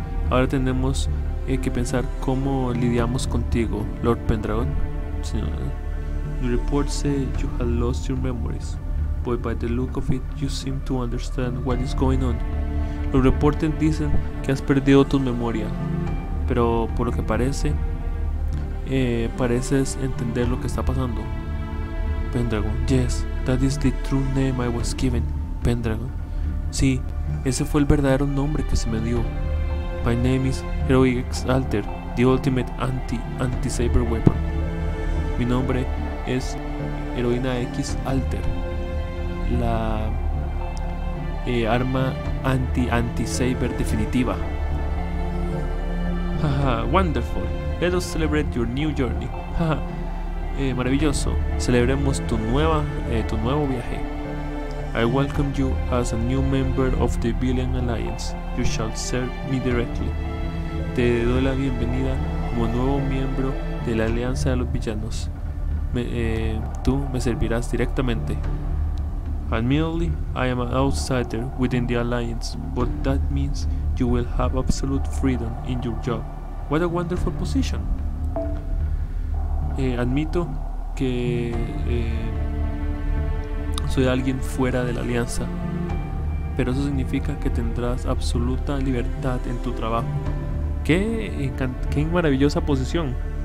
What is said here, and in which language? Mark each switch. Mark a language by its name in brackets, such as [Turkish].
[Spanish] Ahora tenemos que pensar cómo lidiamos contigo, Lord Pendragon. [English] The reports say you have lost your memories, but by the look of it, you seem to understand what is going on. [Spanish] Los reportes dicen que has perdido tu memoria, pero por lo que parece, pareces entender lo que está pasando. [English] Pendragon. Yes, that is the true name I was given, Pendragon. [Spanish] Sí, ese fue el verdadero nombre que se me dio. [English] My name is Heroic Exalter, the ultimate anti-saber weapon. [Spanish] Mi nombre es Heroína Exalter, la arma anti-saber definitiva. [English] Wonderful. Let us celebrate your new journey. [Spanish] maravilloso. Celebremos tu nuevo viaje. [English] I welcome you as a new member of the Villain Alliance. You shall serve me directly. [Spanish] Te doy la bienvenida como nuevo miembro de la Alianza de los Villanos. Tú me servirás directamente. [English] Admittedly, I am an outsider within the Alliance, but that means you will have absolute freedom in your job. What a wonderful position. [Spanish] Admito que soy alguien fuera de la alianza, pero eso significa que tendrás absoluta libertad en tu trabajo. ¡Qué maravillosa posición!